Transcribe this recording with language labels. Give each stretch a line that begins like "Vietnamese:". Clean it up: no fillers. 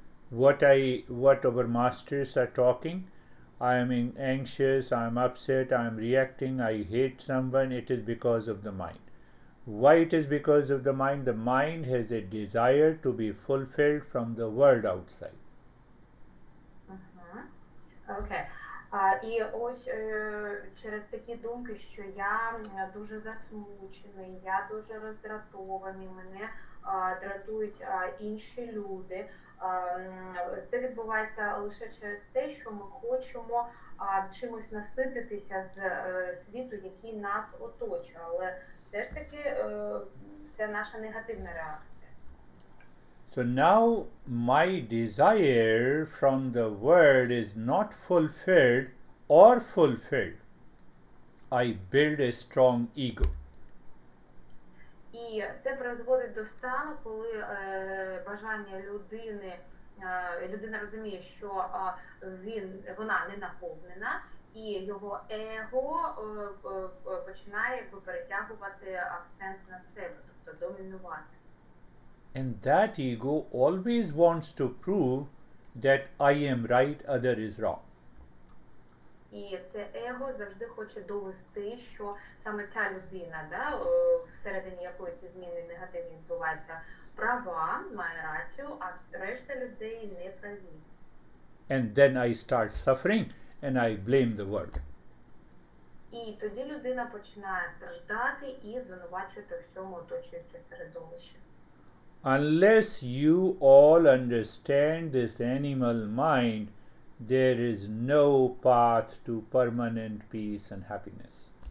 English: What our masters are talking, I am anxious, I am upset, I am reacting, I hate someone, it is because of the mind. Why it is because of the mind? The mind has a desire to be fulfilled from the world outside.
Ukrainian: І ось через такі думки, що я дуже засмучений, я дуже роздратований, мене дратують інші люди. Це відбувається лише через те, що ми хочемо чимось насититися з світу, який нас оточує, але все ж таки це наша негативна реакція.
English: So now my desire from the world is not fulfilled or fulfilled. I build a strong ego.
Ukrainian: І це призводить до стану, коли бажання людини, людина розуміє, що вона не наповнена, і його его починає перетягувати акцент на себе, тобто домінувати.
English: And that ego always wants to prove that I am right, other is wrong.
Ukrainian: І це его завжди хоче довести, що саме ця людина, да, всередині якої ці зміни негативні відбуваються, права, має рацію, а решта людей не праві.
English: And then I start suffering and I blame the world.
Ukrainian: І тоді людина починає страждати і звинувачувати всьому оточуюче середовище.
English: Unless you all understand this animal mind, there is no path to permanent peace and happiness.